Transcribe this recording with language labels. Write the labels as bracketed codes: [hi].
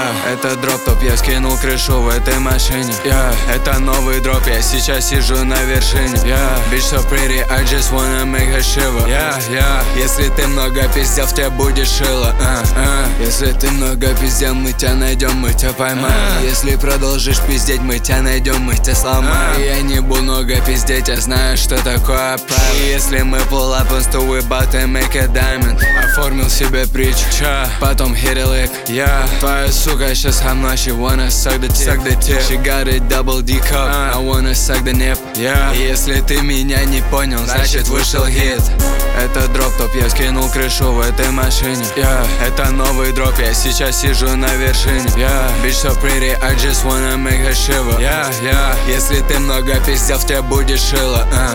[ru] это дроп-топ, я скинул крышу в этой машине. Это новый дроп, я сейчас сижу на вершине. [en] Bitch so pretty, I just wanna make her shiver. [ru] Если ты много пиздел, в тебе будет шило. Если ты много пиздел, мы тебя найдем, мы тебя поймаем. Если продолжишь пиздеть, мы тебя найдем, мы тебя сломаем. Я не буду много пиздеть, я знаю, что такое правило. Если мы [en] pull up on stool, we about to make a diamond. [ru] Оформил себе притч, потом [en] hit a lick. [ru] Твоя сука сейчас со мной, [en] she wanna suck the tip. She got a double D cup, I wanna suck the nip. [ru] Если ты меня не понял, значит вышел hit. Это дроп-топ, я скинул крышу в этой машине. Это новый дроп, я сейчас сижу на вершине. [en] Bitch so pretty, I just wanna make her shiver. [ru] Если ты много пиздел, в тебе будет шило.